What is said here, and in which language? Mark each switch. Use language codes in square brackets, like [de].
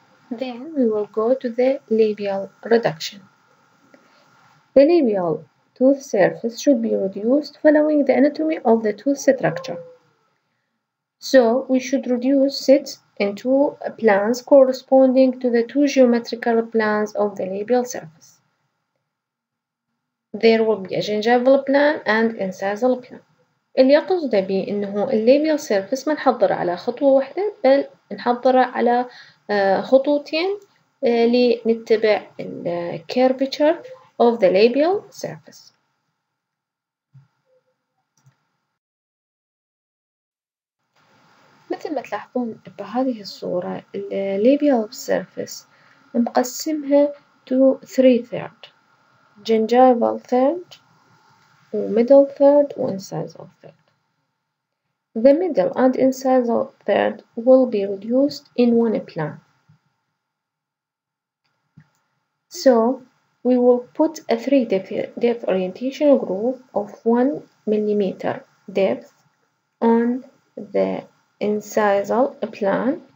[en] Then we will go to the labial reduction. The labial tooth surface should be reduced following the anatomy of the tooth structure. So we should reduce it into plans corresponding to the two geometrical plans of the labial surface. There will be a gingival plan and incisal plan. [ar] اللي يقصد به إنه الليبيال سيرفس ما نحضر على خطوة واحدة بل نحضر على خطوتين لنتبع الكيربيتشر [en] of the labial surface. [ar] مثل ما تلاحظون بهذه الصورة الليبيال سيرفس مقسمها [en] to 3/3 gingival third [ar] و [en] middle third [ar] و [en] incisal third. The middle and incisal third will be reduced in one plan. So we will put a 3 depth orientation groove of 1 mm depth on the incisal plan.